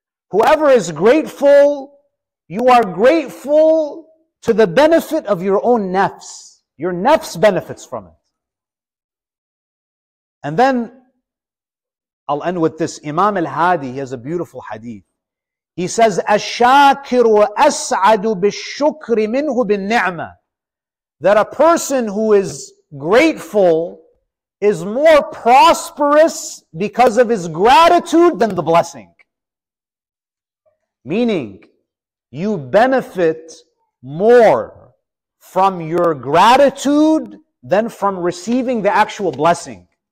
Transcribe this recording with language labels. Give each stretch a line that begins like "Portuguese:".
English: Whoever is grateful, you are grateful to the benefit of your own nafs. Your nafs benefits from it. And then, I'll end with this. Imam al-Hadi, he has a beautiful hadith. He says,
Arabic: أَشَّاكِرُ أَسْعَدُ بِالشُّكْرِ مِنْهُ بِالنِّعْمَةِ.
English: That a person who is grateful is more prosperous because of his gratitude than the blessing. Meaning, you benefit more from your gratitude than from receiving the actual blessing.